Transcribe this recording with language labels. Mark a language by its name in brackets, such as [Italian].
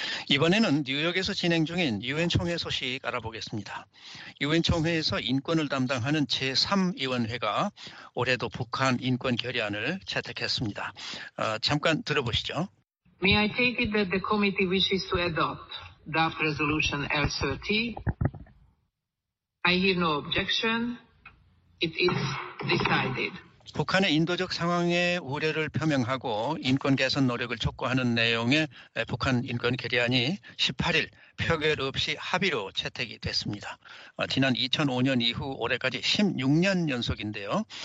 [Korean] 이번에는 뉴욕에서 진행 중인 유엔 총회 소식 알아보겠습니다. 유엔 총회에서 인권을 담당하는 제3위원회가 올해도 북한 인권 결의안을 채택했습니다. 잠깐 들어보시죠. [English] May I take it that the committee wishes to adopt draft resolution L30? I hear no objection. It is decided. [Korean] 북한의 인도적 상황에 우려를 표명하고 인권 개선 노력을 촉구하는 내용의 북한 인권 결의안이 18일 표결 없이 합의로 채택이 됐습니다. 지난 2005년 이후 올해까지 16년 연속인데요.